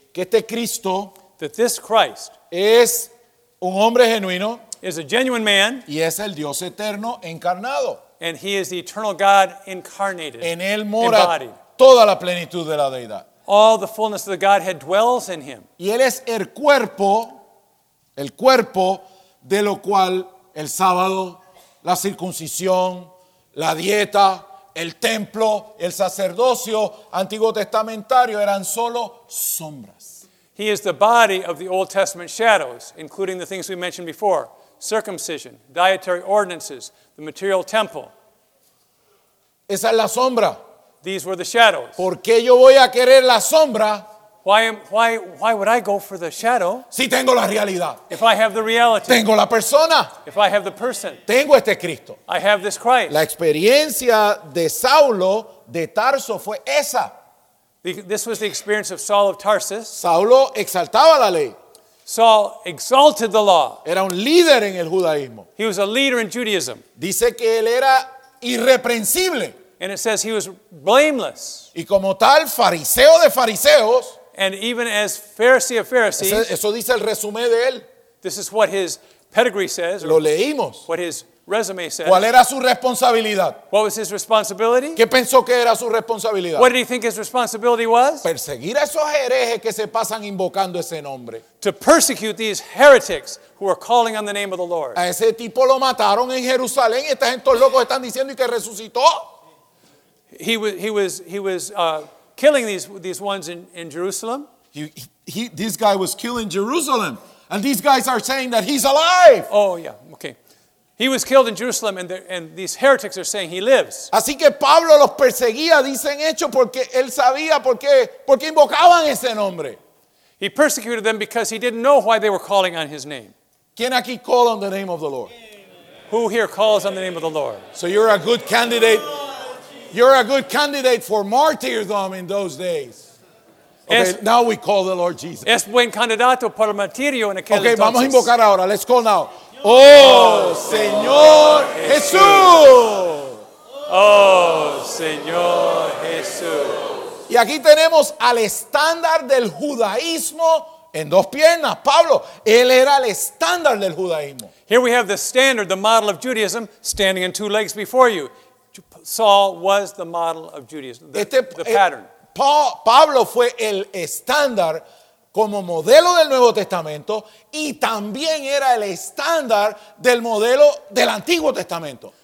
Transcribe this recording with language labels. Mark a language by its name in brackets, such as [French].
[Spanish] Que este Cristo. [English] That this Christ. [Spanish] Es. Un hombre genuino [English] is a genuine man, [Spanish] y es el Dios eterno encarnado. [English] And he is the eternal God incarnated, [Spanish] en él mora embodied. Toda la plenitud de la Deidad. [English] All the fullness of the Godhead dwells in him. [Spanish] Y él es el cuerpo de lo cual el sábado, la circuncisión, la dieta, el templo, el sacerdocio antiguo testamentario eran solo sombras. [English] He is the body of the Old Testament shadows, including the things we mentioned before, circumcision, dietary ordinances, the material temple. [Spanish] Esa es la sombra. [English] These were the shadows. [Spanish] ¿Por qué yo voy a querer la sombra? [English] Why would I go for the shadow? [Spanish] Si tengo la realidad. [English] If I have the reality. [Spanish] Tengo la persona. [English] If I have the person. [Spanish] Tengo este Cristo. [English] I have this Christ. [Spanish] La experiencia de Saulo de Tarso fue esa. [English] This was the experience of Saul of Tarsus. [Spanish] Saulo exaltaba la ley. [English] Saul exalted the law. [Spanish] Era un líder en el judaísmo. [English] He was a leader in Judaism. [Spanish] Dice que él era irreprensible. [English] And it says he was blameless. [Spanish] Y como tal, fariseo de fariseos. [English] And even as Pharisee of Pharisees. [Spanish] Eso dice el resumen de él. [English] This is what his pedigree says. [Spanish] Lo leímos. [English] What his resume says. [Spanish] ¿Cuál era su responsabilidad? [English] What was his responsibility? [Spanish] ¿Qué pensó que era su responsabilidad? [English] What did he think his responsibility was? [Spanish] Perseguir a esos herejes que se pasan invocando ese nombre. [English] To persecute these heretics who are calling on the name of the Lord. [Spanish] A ese tipo lo mataron en Jerusalén. Esta gente locos están diciendo y que resucitó. [English] He was killing these ones in Jerusalem. This guy was killing Jerusalem. And these guys are saying that he's alive. Oh, yeah. Okay. He was killed in Jerusalem, and these heretics are saying he lives. [Spanish] Así que Pablo los perseguía, dicen hechos, porque él sabía por qué invocaban ese nombre. [English] He persecuted them because he didn't know why they were calling on his name. [Spanish] ¿Quién aquí [English] call on the name of the Lord? Who here calls on the name of the Lord? So you're a good candidate. You're a good candidate for martyrdom in those days. Okay, now we call the Lord Jesus. [Spanish] Es buen candidato para martirio en aquel entonces. Okay, vamos a invocar ahora. [English] Let's call now. [Spanish] Oh, Señor Jesús. Oh, Señor Jesús. Y aquí tenemos al estándar del judaísmo en dos piernas. Pablo, él era el estándar del judaísmo. [English] Here we have the standard, the model of Judaism, standing in two legs before you. Saul was the model of Judaism, the pattern. [Spanish] Pablo fue el estándar como modelo del Nuevo Testamento y también era el estándar del modelo del Antiguo Testamento.